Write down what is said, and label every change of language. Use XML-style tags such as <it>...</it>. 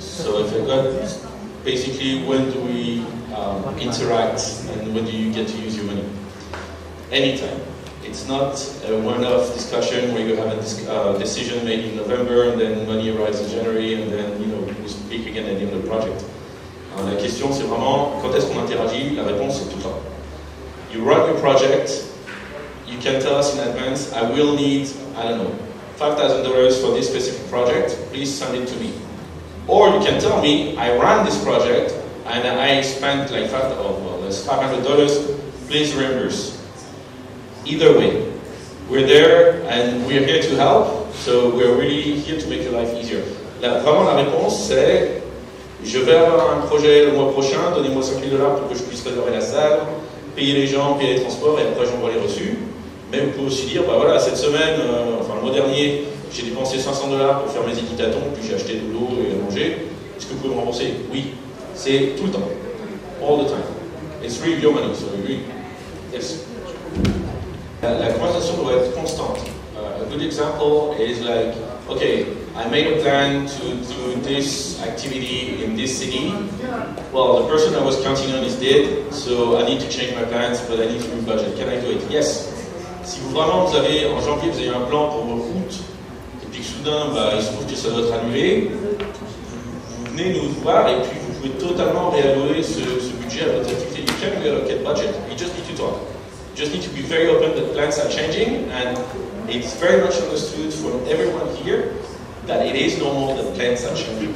<en>So if you've got, basically, when do we interact and when do you get to use your money? Anytime. It's not a one-off discussion where you have a decision made in November and then money arrives in January and then, you know, we speak again at the end of the project.</en> <fr>La question, c'est vraiment, quand est-ce qu'on interagit? La réponse, c'est tout le temps.</fr> <en>You run your project, you can tell us in advance, I will need, I don't know, $5,000 for this specific project, please send it to me. Or you can tell me, I ran this project, and I spent like $500, please reimburse. Either way, we're there, and we're here to help, so we're really here to make your life easier.</en> <fr>Vraiment, la réponse, c'est, je vais avoir un projet le mois prochain, donnez-moi $5,000 pour que je puisse rénover la salle, payer les gens, payer les transports, et après j'envoie les reçus. Mais vous pouvez aussi dire, bah voilà, cette semaine, le mois dernier, j'ai dépensé $500 pour faire mes équitatons, puis j'ai acheté de l'eau et à manger. Est-ce que vous pouvez me rembourser? Oui. C'est tout le temps.</fr> <en>All the time. It's really your money, so</en> <fr>oui.</fr> <en>Yes.</en> <fr>La conversation doit être constante.</fr> <en>A good example is like, okay, I made a plan to do this activity in this city. Well, the person I was counting on is dead, so I need to change my plans, but I need to rebudget. Can I do it? Yes.</en> <fr>Si vraiment vous avez, en janvier, vous avez un plan pour vos routes, et puis que soudain, bah, il se trouve que ça doit être annulé, vous venez nous voir et puis vous pouvez totalement réallouer ce budget à votre activité.</fr> <en>You can't reallocate budget, you just need to talk. You just need to be very open that plans are changing, and it's very much understood from everyone here that it is normal that plans are changing.</en>